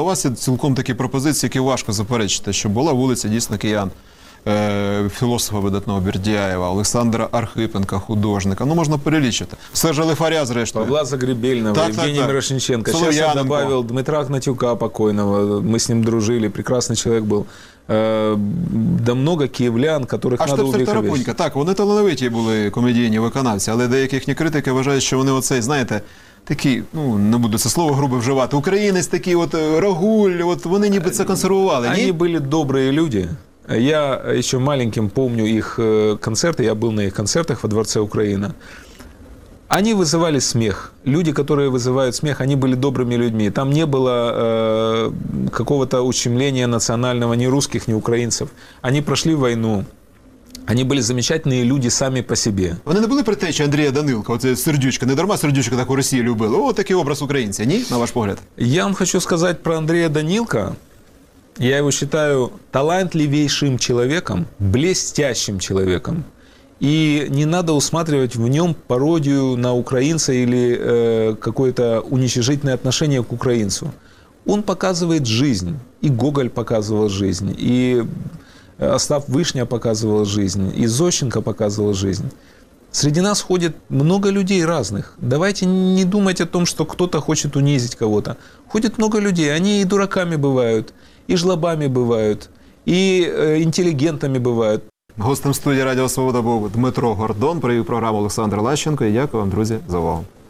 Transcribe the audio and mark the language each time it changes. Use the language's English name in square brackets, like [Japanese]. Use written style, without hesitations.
[Ukrainian] У вас є цілком такі пропозиції, які важко заперечити, що була вулиця дійсно киян філософа видатного Бердяєва, Олександра Архипенка, художника. Ну, можна перелічити. Сержа Лифаря, зрештою. Павла Загребельного, Євгенія Мирошниченка. Зараз я добавив Дмитра Гнатюка покойного. Ми з ним дружили. Прекрасний чоловік був. [Russian] Да много киевлян, которых надо увековечить. [Ukrainian] А Штепсель-Тарапунька, так, вони талановиті були комедійні виконавці, але деякі їхні критики вважають, що вони оцей, знаєте, такі, ну, не буду це слово грубо вживати, українець такий, от Рагуль, от вони ніби це консервували, ні? Вони були добрі люди. Я ще маленьким пам'ятаю їх концерти, я був на їх концертах [Russian] во Дворце [Ukrainian] Україна. [Russian] Они вызывали смех. Люди, которые вызывают смех, они были добрыми людьми. Там не было какого-то ущемления национального ни русских, ни украинцев. Они прошли войну. Они были замечательные люди сами по себе. Они не были притечи Андрея Данилка, вот Сердючка. [Ukrainian] Не дарма [Russian] Сердючка так у России любил. Вот такой образ украинца. Они, [Ukrainian] на ваш погляд? [Russian] Я вам хочу сказать про Андрея Данилка. Я его считаю талантливейшим человеком, блестящим человеком. И не надо усматривать в нем пародию на украинца или какое-то уничижительное отношение к украинцу. Он показывает жизнь. И Гоголь показывал жизнь. И Остап Вышня показывал жизнь. И Зощенко показывал жизнь. Среди нас ходит много людей разных. Давайте не думать о том, что кто-то хочет унизить кого-то. Ходит много людей. Они и дураками бывают, и жлобами бывают, и интеллигентами бывают. [Ukrainian] Гостем студії Радіо Свобода був Дмитро Гордон. Провів програму Олександр Лащенко. І дякую вам, друзі, за увагу.